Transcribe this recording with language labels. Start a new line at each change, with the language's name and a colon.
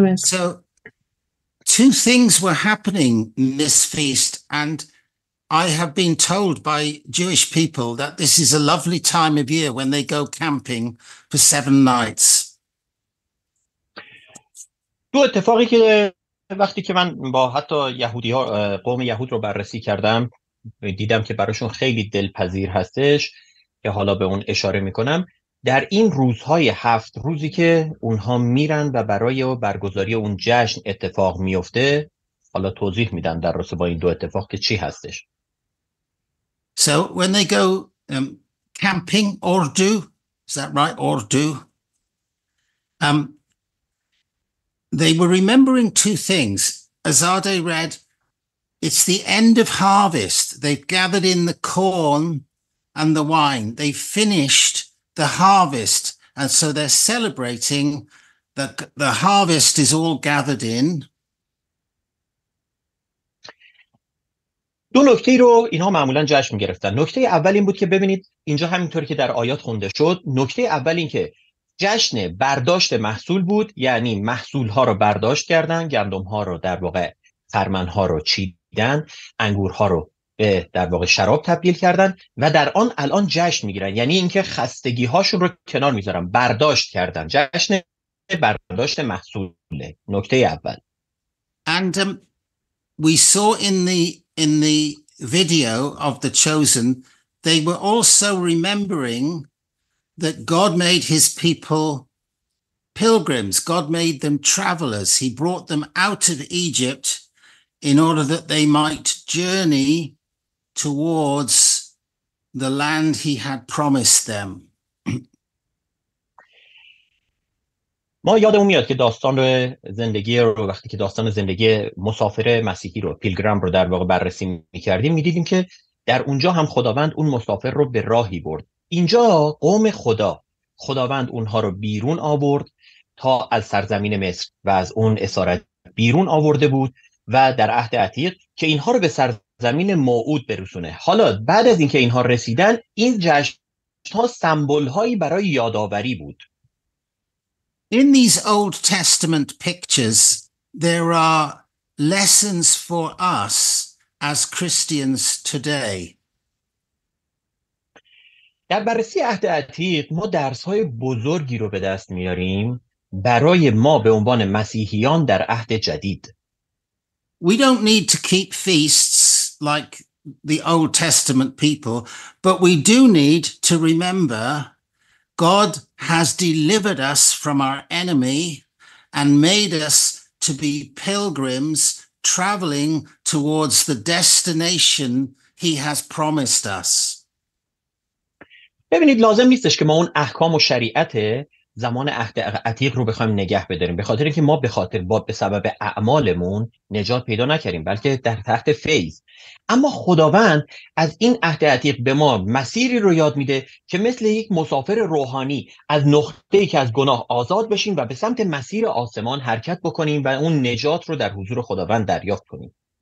English: So, two things were happening in this feast, and I have been told by Jewish people that this is a lovely time of year when they go camping for 7 nights.
Persian: دو اتفاقی که وقتی که من با حتی یهودی‌ها، قوم یهود رو بررسی کردم، دیدم که براشون خیلی دلپذیر هستش، که حالا به اون اشاره می‌کنم. در این روزهای 7 روزی که اونها میرن و برای برگزاری اون جشن اتفاق میفته، حالا توضیح میدم در رابطه با این دو اتفاق که چی هستش.
English: So when they go camping or do, is that right, or do? They were remembering two things. Azade read, it's the end of harvest. They've gathered in the corn and the wine. They've finished the harvest, and so they're celebrating that the harvest is all gathered in.
Persian: دو نکته رو اینها معمولا جشن می‌گرفتن. نکته اول این بود که ببینید اینجا همینطوری که در آیات خونده شد، نکته اول این که جشن برداشت محصول بود، یعنی محصول‌ها رو برداشت کردن، گندم‌ها رو در واقع خرمن‌ها رو چیدن، انگورها رو در واقع شراب تبدیل کردن و در آن الان جشن میگیرن، یعنی اینکه خستگی هاشون رو کنار میذارن، برداشت کردن، جشن برداشت محصوله. نکته اول.
English: And we saw in the video of the chosen, they were also remembering that God made his people pilgrims. God made them travelers. He brought them out of Egypt in order that they might journey towards the land he had promised them.
Persian: ما یادمون میاد که داستان رو زندگی رو وقتی که داستان زندگی مسافر مسیحی رو پیلگرام رو در واقع بررسی میکردیم میدیدیم که در اونجا هم خداوند اون مسافر رو به راهی برد. اینجا قوم خدا خداوند اونها رو بیرون آورد تا از سرزمین مصر و از اون اسارت بیرون آورده بود و در عهد عتیق که اینها رو به سرزمین موعود برسونه. حالا بعد از اینکه اینها رسیدن این جشن‌ها سمبل‌هایی برای یادآوری بود.
English: In these Old Testament pictures, there are lessons for us as Christians today.
Persian: در بررسی عهد عتیق ما درس‌های بزرگی رو به دست می‌آریم برای ما به عنوان مسیحیان در عهد جدید.
English: We don't need to keep feasts like the Old Testament people, but we do need to remember God has delivered us from our enemy and made us to be pilgrims traveling towards the destination he has promised us.
Persian: ببینید لازم نیستش که ما اون احکام و شریعت زمان عهد عتیق رو بخوایم نگه بداریم به خاطر اینکه ما به خاطر با به سبب اعمالمون نجات پیدا نکردیم بلکه در تحت فیض. اما خداوند از این عهد عتیق به ما مسیری رو یاد میده که مثل یک مسافر روحانی از نقطه‌ای که از گناه آزاد بشیم و به سمت مسیر آسمان حرکت بکنیم و اون نجات رو در حضور خداوند دریافت کنیم.